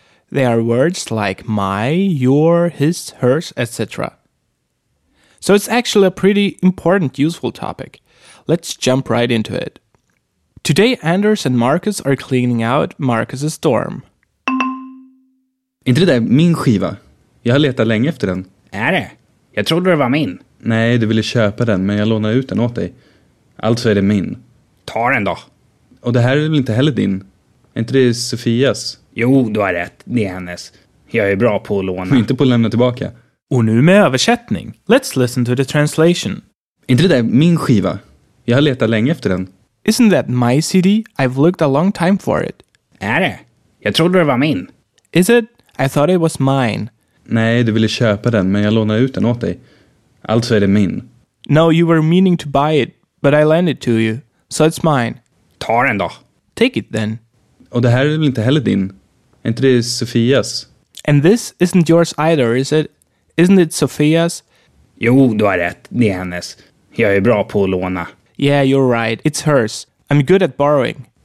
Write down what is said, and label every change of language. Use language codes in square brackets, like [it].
[en] They are words like my, your, his, hers, etc. So it's actually a pretty important, useful topic. Let's jump right into it. Today Anders and Marcus are cleaning out Marcus's dorm. [sv] Inte det där min skiva? Jag har letat länge efter den. Är det? Jag trodde det var min. Nej, du ville köpa den, men jag lånade ut den åt dig. Alltså är det min. Ta den då. Och det här är väl inte heller din? Är inte det Sofias? Jo, du har rätt. Det är hennes. Jag är bra på att låna. Men inte på att lämna tillbaka. Och nu med översättning. [en] Let's listen to the translation. [sv] Inte det där min skiva? Jag har letat länge efter den. [en] Isn't that my CD? I've looked a long time for it. [sv] Är det? Jag trodde det var min. [en] Is it? I thought it was mine. [sv] Nej, du ville köpa den, men jag lånade ut den åt dig. Alltså är det min. [en] No, you were meaning to buy it, but I lent it to you. So it's mine. [sv] Ta den då. [en] Take it then. [sv] Och det här är väl inte heller din? Är inte det Sofias? [en] And this isn't yours either, is it? Isn't it Sofias? [sv] Jo, du har rätt. Det är hennes. Jag är bra på att låna. [en] Yeah, you're right. It's hers. I'm good at borrowing.